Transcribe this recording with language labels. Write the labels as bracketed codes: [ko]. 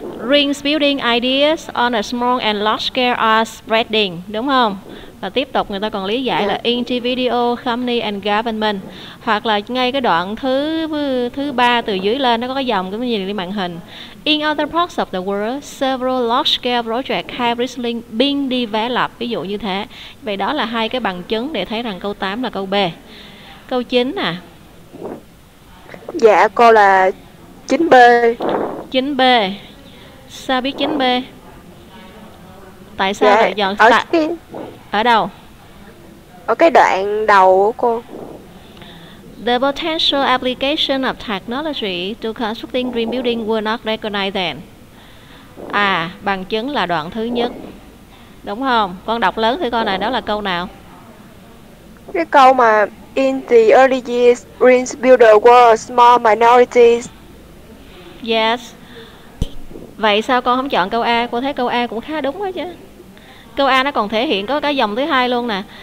[en] Rings, building ideas on a small and large scale are spreading, đúng không? [vi] Và tiếp tục người ta còn lý giải là individual, company and government. Hoặc là ngay cái đoạn thứ ba từ dưới lên nó có cái dòng, cũng nhìn lên màn hình. [en] In other parts of the world, several large-scale projects have recently been developed. [vi] Ví dụ như thế. Vậy đó là hai cái bằng chứng để thấy rằng câu 8 là câu B. Câu 9 à? Dạ, cô là 9B. 9B. Sao biết 9B? Tại sao lại dạ, chọn ở, cái... ở đâu? Ở cái đoạn đầu của cô. [en] The potential application of technology to constructing green building were not recognized then. [vi] À, bằng chứng là đoạn thứ nhất. Đúng không? Con đọc lớn thử coi này, đó là câu nào? [en] Cái câu mà in the early years, green builder were a small minority. Yes. [vi] Vậy sao con không chọn câu A? Cô thấy câu A cũng khá đúng quá chứ. Câu A nó còn thể hiện có cái dòng thứ hai luôn nè.